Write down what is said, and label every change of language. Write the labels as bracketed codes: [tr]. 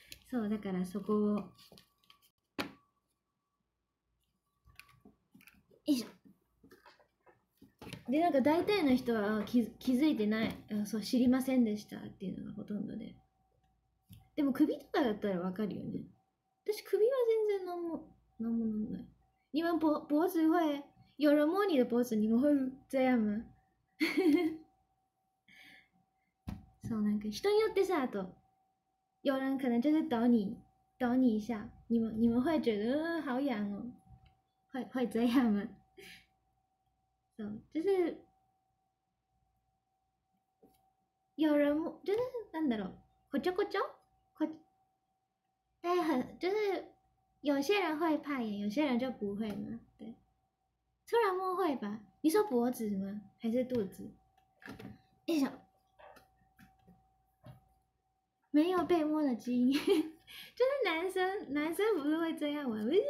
[ja] そう、だからそこを。よいしょ。で、なんか大体の人は気づいてない、そう、知りませんでしたっていうのがほとんどで。でも首とかだったらわかるよね。私首は全然何もない。 [zh] 你们脖子会、有人摸你的脖子、你们会这样吗？ [ja] そう、なんか人によってさ、あと、 [zh] 有人可能就是抖你一下、你们会觉得、好痒哦。会这样吗？そう、就是、有人摸、就是、 [ja] なんだろう、こちょこちょ？ [zh] 哎、欸、很、就是、有些人会怕痒，有些人就不会嘛。对，突然摸会吧？你说脖子吗？还是肚子？哎呦，没有被摸的基因，就是男生不是会这样玩？